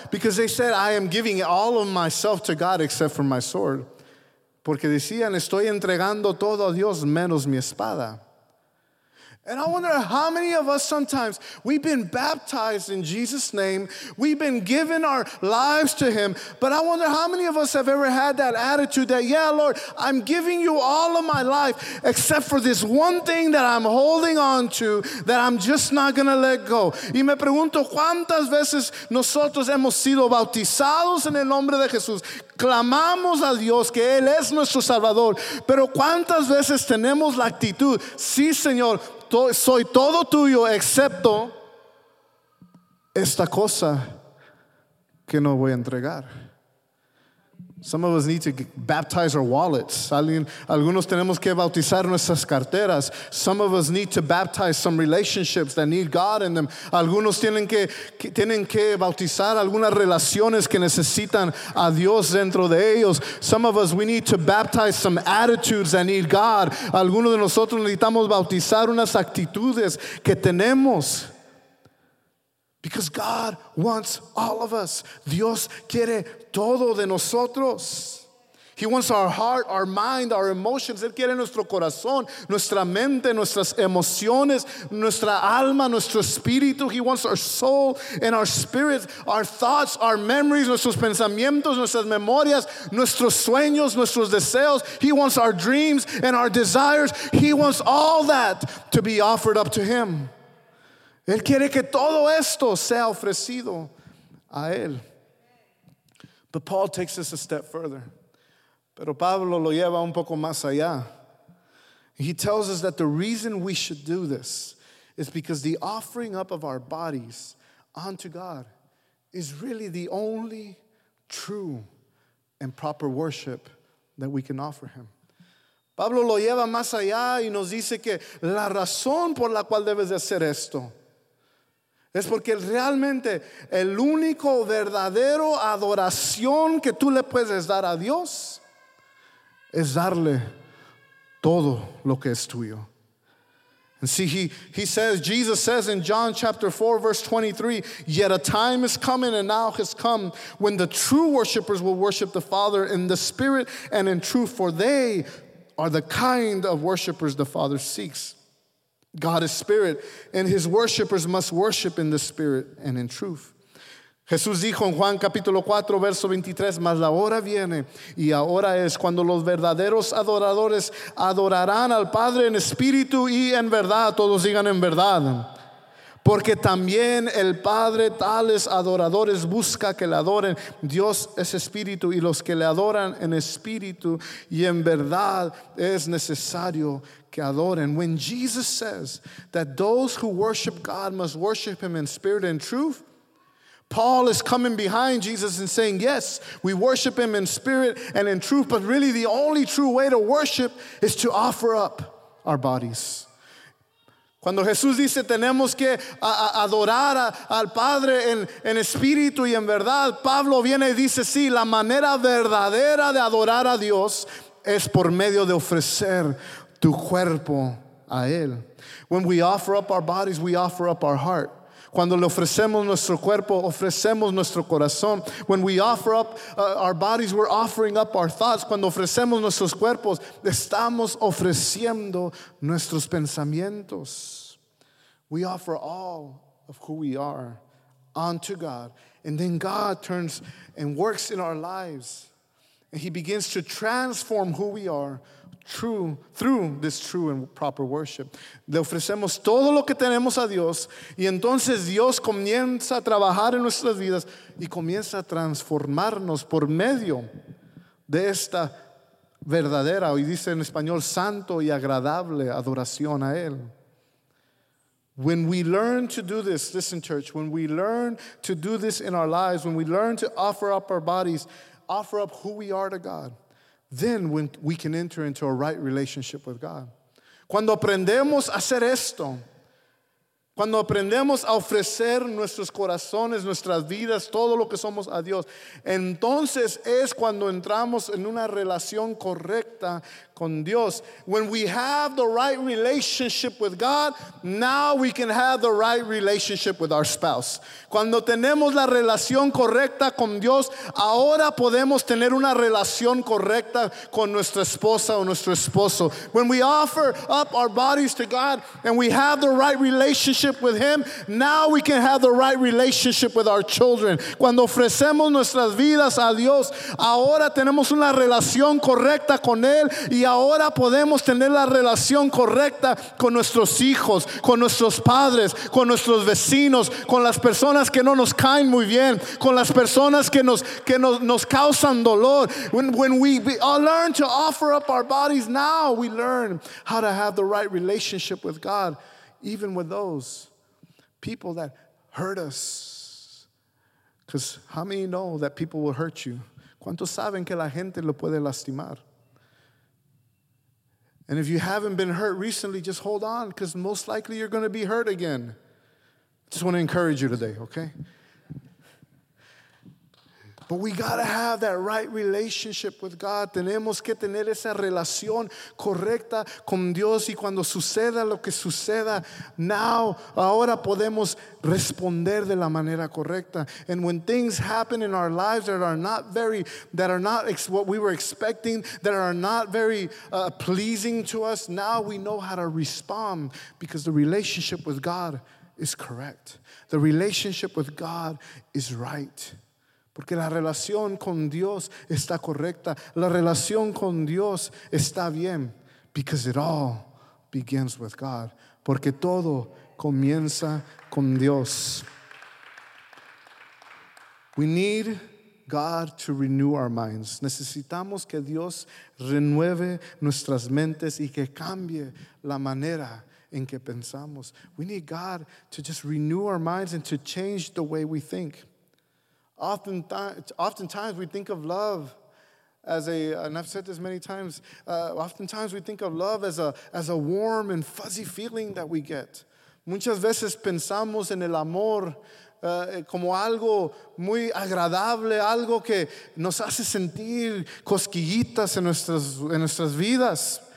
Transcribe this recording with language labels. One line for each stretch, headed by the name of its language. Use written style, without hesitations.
English: Because they said, I am giving all of myself to God except for my sword.
Spanish: Porque decían, estoy entregando todo a Dios menos mi espada.
English: And I wonder how many of us sometimes, we've been baptized in Jesus' name, we've been given our lives to him, but I wonder how many of us have ever had that attitude that, yeah, Lord, I'm giving you all of my life except for this one thing that I'm holding on to that I'm just not going to let go.
Spanish: Y me pregunto, ¿cuántas veces nosotros hemos sido bautizados en el nombre de Jesús? Clamamos a Dios que Él es nuestro Salvador, pero ¿cuántas veces tenemos la actitud? Sí, Señor, soy todo tuyo excepto esta cosa que no voy a entregar.
English: Some of us need to baptize our wallets.
Spanish: Algunos tenemos que bautizar nuestras carteras.
English: Some of us need to baptize some relationships that need God in them.
Spanish: Algunos tienen que bautizar algunas relaciones que necesitan a Dios dentro de ellos.
English: Some of us, we need to baptize some attitudes that need God.
Spanish: Algunos de nosotros necesitamos bautizar unas actitudes que tenemos.
English: Because God wants all of us.
Spanish: Dios quiere todo de nosotros.
English: He wants our heart, our mind, our emotions.
Spanish: Él quiere nuestro corazón, nuestra mente, nuestras emociones, nuestra alma, nuestro espíritu.
English: He wants our soul and our spirit, our thoughts, our memories,
Spanish: nuestros pensamientos, nuestras memorias, nuestros sueños, nuestros deseos.
English: He wants our dreams and our desires. He wants all that to be offered up to him.
Spanish: Él quiere que todo esto sea ofrecido a Él.
English: But Paul takes this a step further.
Spanish: Pero Pablo lo lleva un poco más allá.
English: He tells us that the reason we should do this is because the offering up of our bodies unto God is really the only true and proper worship that we can offer Him.
Spanish: Pablo lo lleva más allá y nos dice que la razón por la cual debes de hacer esto es porque realmente el único verdadero adoración que tú le puedes dar a Dios es darle todo lo que es tuyo.
English: And see, Jesus says in John chapter 4, verse 23, yet a time is coming and now has come when the true worshipers will worship the Father in the spirit and in truth, for they are the kind of worshipers the Father seeks. God is spirit, and his worshipers must worship in the spirit and in truth.
Spanish: Jesús dijo en Juan capítulo 4, verso 23, mas la hora viene, y ahora es cuando los verdaderos adoradores adorarán al Padre en espíritu y en verdad. Todos digan en verdad. Porque también el Padre tales adoradores busca que le adoren. Dios es espíritu, y los que le adoran en espíritu y en verdad es necesario que adoren.
English: When Jesus says that those who worship God must worship him in spirit and truth, Paul is coming behind Jesus and saying, yes, we worship him in spirit and in truth, but really the only true way to worship is to offer up our bodies.
Spanish: Cuando Jesús dice tenemos que adorar al Padre en espíritu y en verdad, Pablo viene y dice, sí, la manera verdadera de adorar a Dios es por medio de ofrecer tu cuerpo a Él.
English: When we offer up our bodies, we offer up our heart.
Spanish: Cuando le ofrecemos nuestro cuerpo, ofrecemos nuestro corazón.
English: When we offer up our bodies, we're offering up our thoughts.
Spanish: Cuando ofrecemos nuestros cuerpos, estamos ofreciendo nuestros pensamientos.
English: We offer all of who we are unto God. And then God turns and works in our lives. And he begins to transform who we are through this true and proper worship.
Spanish: Le ofrecemos todo lo que tenemos a Dios y entonces Dios comienza a trabajar en nuestras vidas y comienza a transformarnos por medio de esta verdadera, hoy dice en español, santo y agradable adoración a Él.
English: When we learn to do this, listen church, when we learn to do this in our lives, when we learn to offer up our bodies, offer up who we are to God, then when we can enter into a right relationship with God.
Spanish: Cuando aprendemos a hacer esto, cuando aprendemos a ofrecer nuestros corazones, nuestras vidas, todo lo que somos a Dios, entonces es cuando entramos en una relación correcta con Dios.
English: When we have the right relationship with God, now we can have the right relationship with our spouse.
Spanish: Cuando tenemos la relación correcta con Dios, ahora podemos tener una relación correcta con nuestra esposa o nuestro esposo.
English: When we offer up our bodies to God and we have the right relationship with Him, now we can have the right relationship with our children.
Spanish: Cuando ofrecemos nuestras vidas a Dios, ahora tenemos una relación correcta con Él y ahora podemos tener la relación correcta con nuestros hijos, con nuestros padres, con nuestros vecinos, con las personas que no nos caen muy bien, con las personas que nos causan dolor.
English: When we learn to offer up our bodies, now we learn how to have the right relationship with God, even with those people that hurt us. Because how many know that people will hurt you?
Spanish: ¿Cuántos saben que la gente lo puede lastimar?
English: And if you haven't been hurt recently, just hold on, because most likely you're going to be hurt again. Just want to encourage you today, okay? But we got to have that right relationship with God.
Spanish: Tenemos que tener esa relación correcta con Dios. Y cuando suceda lo que suceda,
English: now,
Spanish: ahora podemos responder de la manera correcta.
English: And when things happen in our lives that are not very pleasing to us, now we know how to respond because the relationship with God is correct. The relationship with God is right.
Spanish: Porque la relación con Dios está correcta. La relación con Dios está bien.
English: Because it all begins with God.
Spanish: Porque todo comienza con Dios.
English: We need God to renew our minds.
Spanish: Necesitamos que Dios renueve nuestras mentes y que cambie la manera en que pensamos.
English: We need God to just renew our minds and to change the way we think. Oftentimes we think of love as a, and I've said this many times, oftentimes we think of love as a warm and fuzzy feeling that we get.
Spanish: Muchas veces pensamos en el amor como algo muy agradable, algo que nos hace sentir cosquillitas en nuestras vidas.